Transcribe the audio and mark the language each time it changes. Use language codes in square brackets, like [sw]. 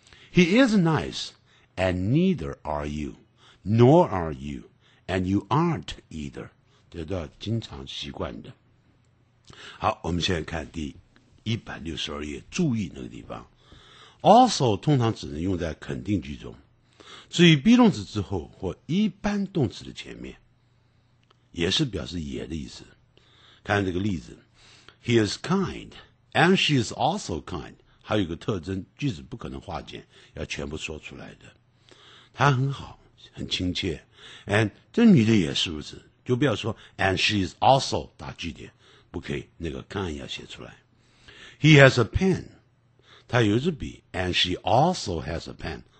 [en] He is nice, and neither are you, nor are you, and you aren't either。 [zh] 这都要经常习惯的。好，我们现在看第162页，注意那个地方。 Also 通常只能用在肯定句中，至于 be 动词之后或一般动词的前面。也是表示也的意思。看这个例子 [en] ，He is kind, and she is also kind。 [zh] 还有一个特征，句子不可能化简，要全部说出来的。她很好，很亲切 ，and 这女的也是如此。就不要说 [en] and she is also [zh] 打句点，不可以，那个 kind 要写出来。 [en] He has a pen， [zh] 他有一支笔 [en] ，and she also has a pen。